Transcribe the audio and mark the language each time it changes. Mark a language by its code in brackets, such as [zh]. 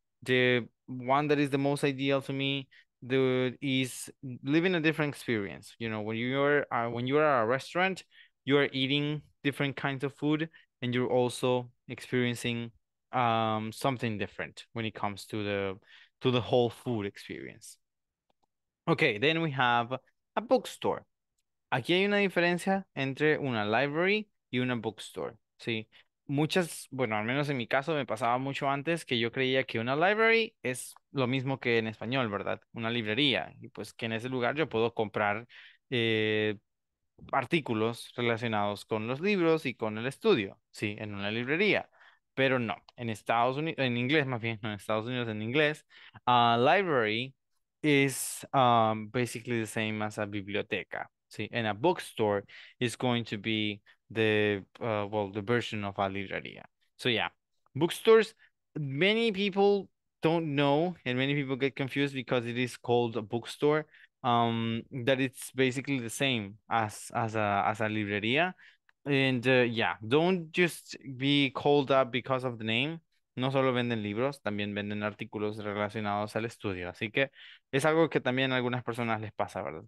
[en] The one that is the most ideal to me is living a different experience. You know, when you are at a restaurant, you are eating different kinds of food and you're also experiencing something different when it comes to the whole food experience. Okay, then we have a bookstore. [es] Aquí hay una diferencia entre una library y una bookstore. Sí, muchas, bueno, al menos en mi caso me pasaba mucho antes que yo creía que una library es lo mismo que en español, ¿verdad? Una librería. Y pues que en ese lugar yo puedo comprar artículos relacionados con los libros y con el estudio, sí, en una librería. Pero no, en Estados Unidos, en inglés más bien, no en Estados Unidos, en inglés, [en] library is basically the same as a biblioteca, sí, and a bookstore is going to be the, well, the version of a librería. So yeah, bookstores, many people don't know and many people get confused because it is called a bookstore, that it's basically the same as a librería. And yeah, don't just be called up because of the name. [es] No solo venden libros, también venden artículos relacionados al estudio. Así que es algo que también a algunas personas les pasa, ¿verdad?